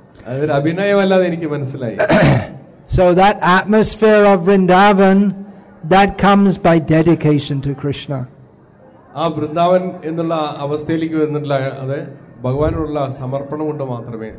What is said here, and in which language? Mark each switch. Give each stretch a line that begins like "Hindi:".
Malayalam: അതിന് അഭിനയമല്ലാതെ എനിക്ക് മനസ്സിലായി.
English: So that atmosphere of Vrindavan, that comes by dedication to Krishna.
Malayalam: ആ വൃന്ദാവൻ എന്നുള്ള അവസ്ഥയിലേക്ക് വന്നിട്ടില്ല, അത് ഭഗവാനോടുള്ള സമർപ്പണം കൊണ്ട് മാത്രമേ.